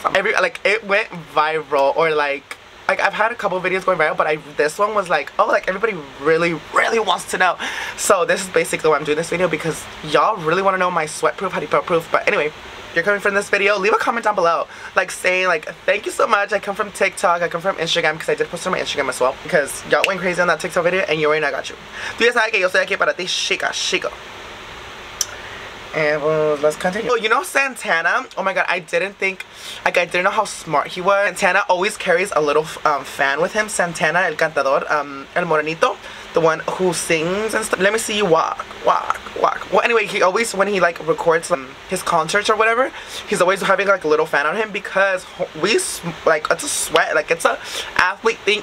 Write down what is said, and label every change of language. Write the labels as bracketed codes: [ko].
[en] It went viral, or like, I've had a couple videos going viral, but this one was like, oh, like, everybody really, really wants to know. So this is basically why I'm doing this video, because y'all really want to know my sweat-proof, jaripeo-proof. But anyway, if you're coming from this video, leave a comment down below, like, saying, like, thank you so much. I come from TikTok, I come from Instagram, because I did post on my Instagram as well, because y'all went crazy on that TikTok video, and you already know I got you. [es] Tú ya sabes que yo soy aquí para ti, chica, chico. [en] And let's continue. Oh, you know Santana? Oh my god, I didn't know how smart he was. Santana always carries a little fan with him. Santana, [es] el cantador, el morenito, [en] the one who sings and stuff. Let me see you walk, walk, walk. Well, anyway, he always, when he like records his concerts or whatever, he's always having like a little fan on him, because it's a sweat, like it's a athlete thing.